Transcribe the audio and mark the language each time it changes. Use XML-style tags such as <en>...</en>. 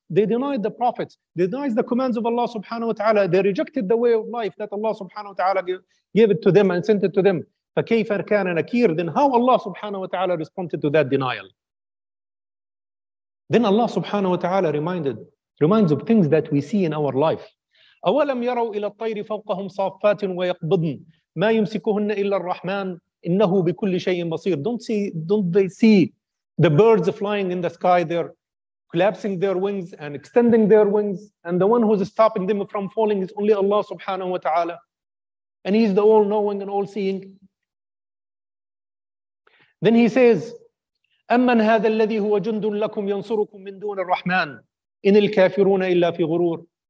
<en>They denied the prophets. They denied the commands of Allah subhanahu wa ta'ala. They rejected the way of life that Allah subhanahu wa ta'ala gave it to them and sent it to them.</en> <ar>فَكَيْفَ كَانَ نَكِيرٌ.</ar> <en>Then how Allah subhanahu wa ta'ala responded to that denial? Then Allah subhanahu wa ta'ala reminds of things that we see in our life.</en> <ar>أولم يروا إلى الطير فوقهم صافات ويقبضن ما يمسكهن إلا الرحمن إنه بكل شيء بصير.</ar> <en>Don't they see the birds flying in the sky? They're collapsing their wings and extending their wings, and the one who's stopping them from falling is only Allah subhanahu wa ta'ala, and he's the all-knowing and all-seeing. Then he says,</en> <ar>أَمَّنْ هَذَا الَّذِي هُوَ جُنْدٌ لَكُمْ يَنْصُرُكُمْ مِنْ دُونَ الرَّحْمَانِ إِنِ الْكَافِرُونَ إِلَّا فِي غُرُورٍ.</ar>